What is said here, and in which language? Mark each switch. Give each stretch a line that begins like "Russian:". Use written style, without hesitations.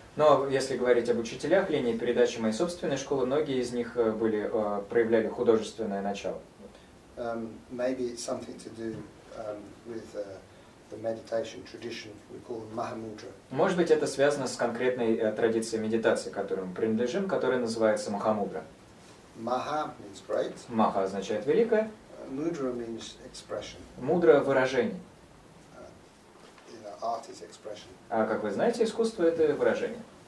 Russian: Но если говорить об учителях линии передачи моей собственной школы, многие из них были проявляли художественное начало.
English: Maybe it's something to do with the meditation tradition we call Mahamudra.
Russian: Может быть, это связано с конкретной традицией медитации, которой мы принадлежим, которая называется Махамудра.
English: Maha means great.
Russian: Maha означает великое.
English: Mudra means expression.
Russian: Мудра – выражение.
English: Art is expression.
Russian: А как вы знаете, искусство – это выражение.